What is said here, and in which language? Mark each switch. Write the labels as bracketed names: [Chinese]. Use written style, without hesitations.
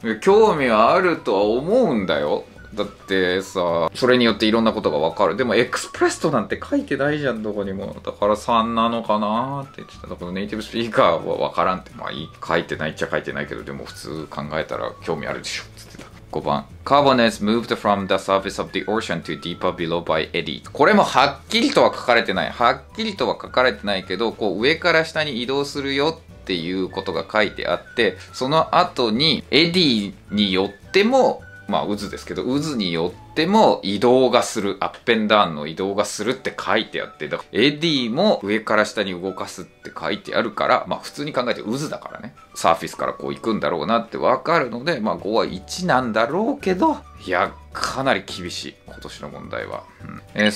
[Japanese] 興味はあるとは思うんだよ。だってさ、それによっていろんなことがわかる。でもエクスプレストなんて書いてないじゃん、どこにも。だから3なのかなって言ってた。だからネイティブスピーカーはわからんって。まあいい、書いてないっちゃ書いてないけど、でも普通考えたら興味あるでしょって言ってた。 5番 [English] Carbon has moved from the surface of the ocean to deeper below by eddy。 [Japanese] これもはっきりとは書かれてない、はっきりとは書かれてないけど、こう上から下に移動するよっていうことが書いてあって、その後にエディによっても、まあ渦ですけど、渦によっても移動がする、アップエンダウンの移動がするって書いてあって、だからエディも上から下に動かすって書いてあるから、まあ普通に考えて渦だからね、サーフィスからこう行くんだろうなってわかるので、まあ5は1なんだろうけど、いやかなり厳しい今年の問題は、うん。